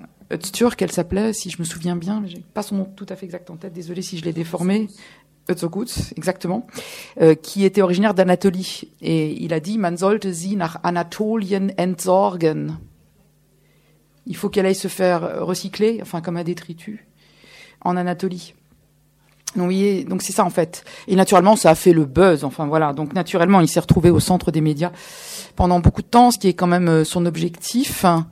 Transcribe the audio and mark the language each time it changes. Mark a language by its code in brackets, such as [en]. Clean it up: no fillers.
[fr] Öztürk, elle s'appelait, si je me souviens bien, mais je n'ai pas son nom tout à fait exact en tête, désolée si je l'ai déformé. Özgür, exactement, qui était originaire d'Anatolie. Et il a dit [de] « Man sollte sie nach Anatolien entsorgen ». [fr] Il faut qu'elle aille se faire recycler, enfin comme un détritus, en Anatolie. Donc, vous voyez, donc c'est ça en fait. Et naturellement, ça a fait le buzz. Enfin voilà. Donc naturellement, il s'est retrouvé au centre des médias pendant beaucoup de temps, ce qui est quand même son objectif.